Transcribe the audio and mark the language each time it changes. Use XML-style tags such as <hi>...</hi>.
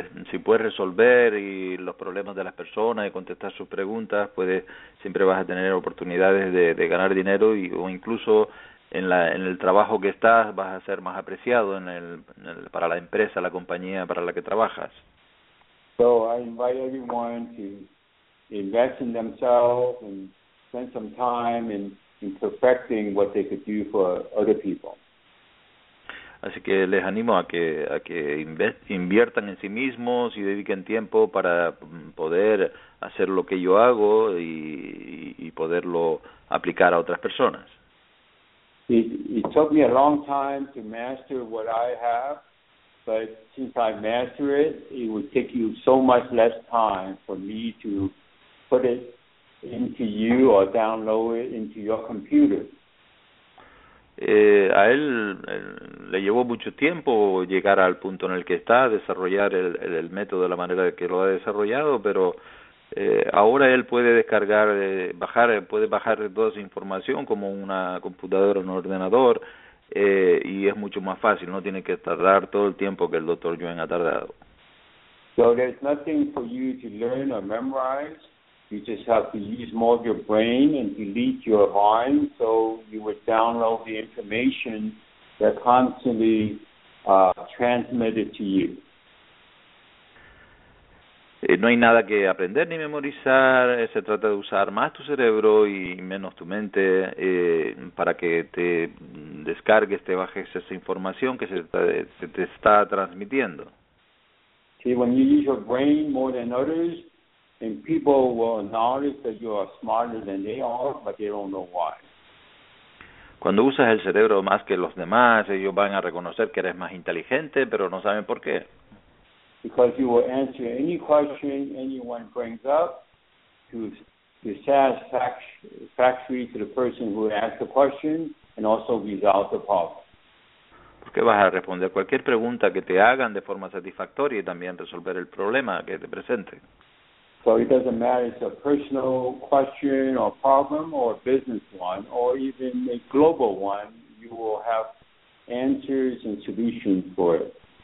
<es>Si puedes resolver y los problemas de las personas y contestar sus preguntas, siempre vas a tener oportunidades de ganar dinero o incluso en el trabajo que estás vas a ser más apreciado para la empresa, la compañía para la que trabajas.</es> <en>So I invite everyone to invest in themselves and spend some time in perfecting what they could do for other people.</en> <es>Así que les animo a que inviertan en sí mismos y dediquen tiempo para poder hacer lo que yo hago y poderlo aplicar a otras personas.</es> <en>It took me a long time to master what I have, but since I master it, it would take you so much less time for me to put it into you or download it into your computer.</en> <es>A él le llevó mucho tiempo llegar al punto en el que está, desarrollar el método de la manera que lo ha desarrollado, pero ahora él puede descargar, puede bajar toda esa información como una computadora o un ordenador y es mucho más fácil, no tiene que tardar todo el tiempo que el doctor Yuan ha tardado.</es> <en>So there's nothing for you to learn or memorize. You just have to use more of your brain and delete your mind so you would download the information that constantly transmitted to you.</en> <es>No hay nada que aprender ni memorizar, se trata de usar más tu cerebro y menos tu mente para que te descargues, te bajes esa información que se te está transmitiendo.</es> <en>Sí, when you use your brain more than others, then people will notice that you are smarter than they are, but they don't know why.</en> <es>Cuando usas el cerebro más que los demás, ellos van a reconocer que eres más inteligente, pero no saben por qué.</es> <en>Because you will answer any question anyone brings up to satisfactory to the person who asked the question and also resolve the problem.</en> <es>Porque vas a responder cualquier pregunta que te hagan de forma satisfactoria y también resolver el problema que te presente.</es> <en>So it doesn't matter if it's a personal question or problem or a business one or even a global one, you will have answers and solutions for it.</en>